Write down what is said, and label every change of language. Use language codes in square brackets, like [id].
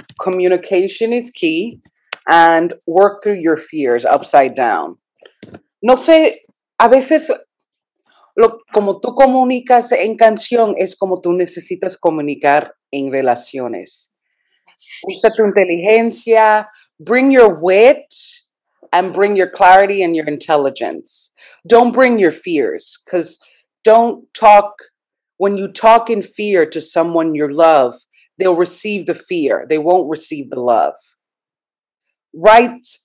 [en] Communication is key and work through your fears upside down. [es] No sé. A veces, como tú comunicas en canción, es como tú necesitas comunicar en relaciones. Sí. Usa tu inteligencia, [en] bring your wit, and bring your clarity and your intelligence. Don't bring your fears, because don't talk, when you talk in fear to someone you love, they'll receive the fear. They won't receive the love. Write.